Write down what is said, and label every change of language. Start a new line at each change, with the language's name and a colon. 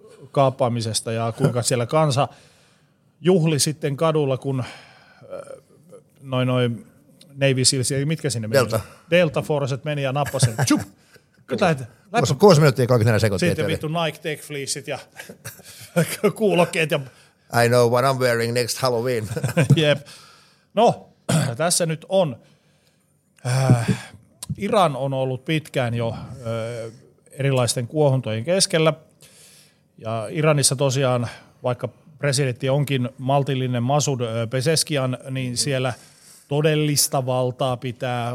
Finnish: kaappaamisesta ja kuinka siellä kansa juhli sitten kadulla, kun noin Navy Seals, mitkä sinne meni? Delta. Delta Forceet meni ja nappasi sen. Tchup! Kyllä. 6 minuuttia ja 24 sekuntia. Sitten vittu Nike Tech Fleeceit ja kuulokkeet. Ja...
English: I know what I'm wearing next Halloween.
Finnish: Jep. No, tässä nyt on. Iran on ollut pitkään jo erilaisten kuohuntojen keskellä. Ja Iranissa tosiaan, vaikka presidentti onkin maltillinen Masud Pezeshkian, niin siellä todellista valtaa pitää.